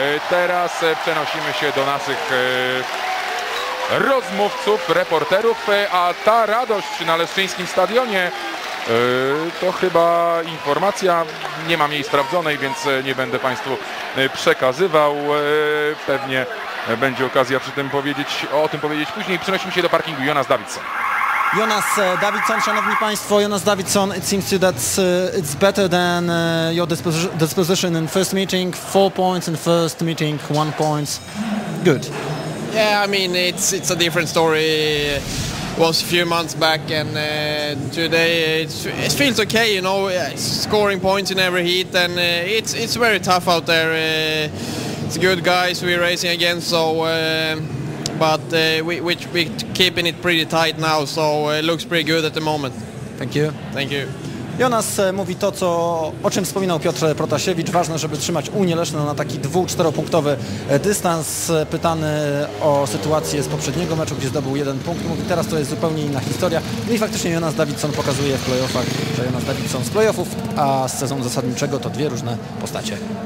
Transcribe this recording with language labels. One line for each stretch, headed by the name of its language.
Polish: Teraz przenosimy się do naszych rozmówców, reporterów, a ta radość na leszczyńskim stadionie to chyba informacja, nie mam jej sprawdzonej, więc nie będę Państwu przekazywał. Pewnie będzie okazja o tym powiedzieć później. Przenosimy się do parkingu. Jonas Davidson.
English: Jonas Davidson,
Polish: szanowni Państwo,
English: Jonas Davidson, it seems to that it's better than your disposition in first meeting. 4 points in first meeting, 1 point. Good. Yeah, I mean, it's a different story. It was a few months back, and today it feels okay, you know, scoring points in every heat, and it's very tough out there. It's good guys we're racing against, so but we're keeping it pretty tight now, so it looks pretty good at the moment. Thank you.
Polish: Jonas mówi to, o czym wspominał Piotr Protasiewicz. Ważne, żeby trzymać Unię Leszno na taki 2-4-punktowy dystans. Pytany o sytuację z poprzedniego meczu, gdzie zdobył jeden punkt. Mówi, teraz to jest zupełnie inna historia. No i faktycznie Jonas Davidson pokazuje w playoffach, że Jonas Davidson z playoffów, a z sezonu zasadniczego to dwie różne postacie.